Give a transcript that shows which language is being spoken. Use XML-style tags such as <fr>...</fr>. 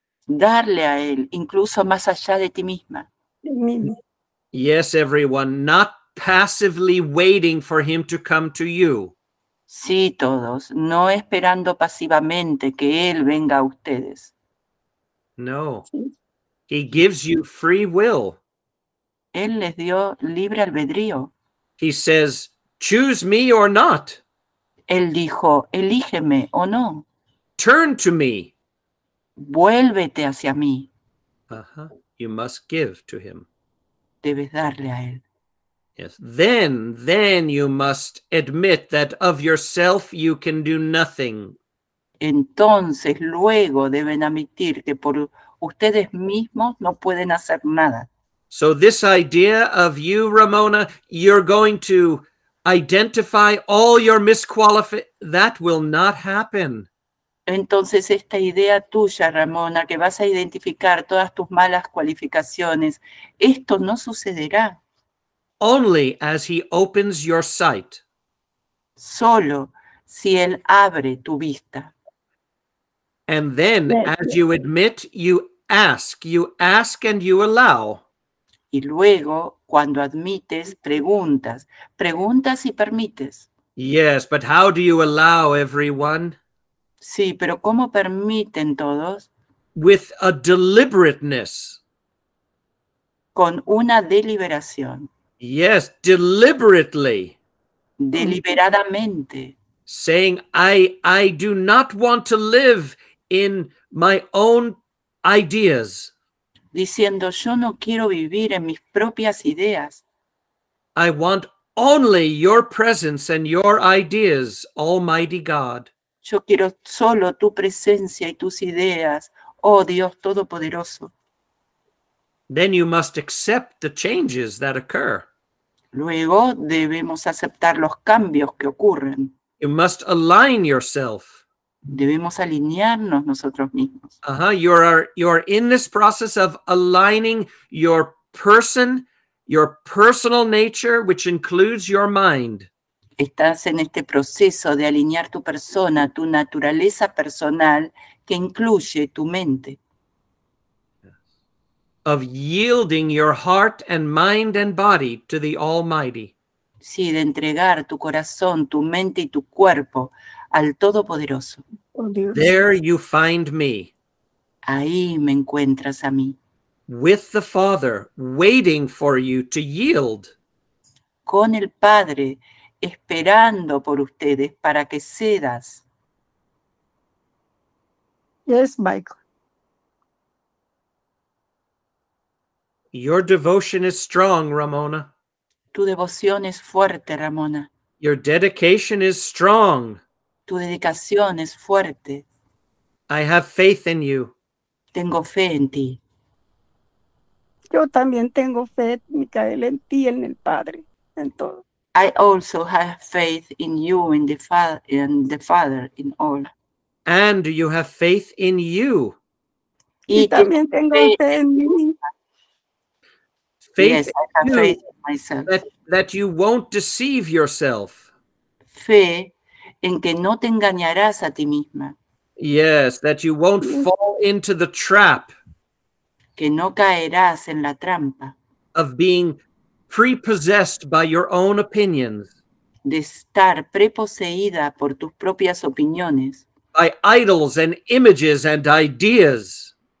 <es>Darle a él, incluso más allá de ti misma.</es> <en>Yes, everyone, not passively waiting for him to come to you.</en> <es>Sí, todos, no esperando pasivamente que él venga a ustedes.</es> <en>No, he gives you free will.</en> <es>Él les dio libre albedrío.</es> <en>He says, choose me or not.</en> <es>Él dijo, elígeme o no.</es> <en>Turn to me.</en> <es>Vuélvete hacia mí.</es> <en>Uh-huh. You must give to him.</en> <es>Debes darle a él.</es> <en>Yes. Then you must admit that of yourself you can do nothing.</en> <es>Entonces, luego deben admitir que por ustedes mismos no pueden hacer nada.</es> <en>So this idea of you, Ramona, you're going to identify all your that will not happen.</en> <es>Entonces, esta idea tuya, Ramona, que vas a identificar todas tus malas cualificaciones, esto no sucederá.</es> <en>Only as he opens your sight.</en> <es>Solo si él abre tu vista.</es> <en>And then, as you admit, you ask. You ask and you allow.</en> <es>Y luego, cuando admites, preguntas. Preguntas y permites.</es> <en>Yes, but how do you allow everyone?</en> <es>Sí, pero ¿cómo permiten todos?</es> <en>With a deliberateness.</en> <es>Con una deliberación.</es> <en>Yes, deliberately.</en> <es>Deliberadamente.</es> <en>Saying, I do not want to live in my own ideas.</en> <es>Diciendo, yo no quiero vivir en mis propias ideas.</es> <en>I want only your presence and your ideas, Almighty God.</en> <es>Yo quiero solo tu presencia y tus ideas, oh Dios Todopoderoso.</es> <en>Then you must accept the changes that occur.</en> <es>Luego debemos aceptar los cambios que ocurren.</es> <en>You must align yourself.</en> <es>Debemos alinearnos nosotros mismos. Uh-huh.</es> <en>You are in this process of aligning your person, your personal nature, which includes your mind.</en> <es>Estás en este proceso de alinear tu persona, tu naturaleza personal, que incluye tu mente.</es> <en>Of yielding your heart and mind and body to the Almighty.</en> <es>Sí, de entregar tu corazón, tu mente y tu cuerpo al Todopoderoso.</es> <en>There you find me.</en> <es>Ahí me encuentras a mí.</es> <en>With the Father, waiting for you to yield.</en> <es>Con el Padre, esperando por ustedes para que cedas.</es> <en>Yes, Michael. Your devotion is strong, Ramona.</en> <es>Tu devoción es fuerte, Ramona.</es> <en>Your dedication is strong.</en> <es>Tu dedicación es fuerte.</es> <en>I have faith in you.</en> <es>Tengo fe en ti. Yo también tengo fe, Micael, en ti, en el Padre, en todo.</es> <en>I also have faith in you, in the Father, in all. And you have faith in you.</en> <es>Y también tengo fe en mí.</es> <en>Faith, yes, I have faith in myself. That you won't deceive yourself.</en> <es>Fe en que no te engañarás a ti misma.</es> <en>Yes, that you won't fall into the trap.</en> <es>Que no caerás en la trampa.</es> <en>Of being prepossessed by your own opinions.</en> <es>de estar preposeída por tus propias opiniones.</es> <en>By idols and images and ideas.</en>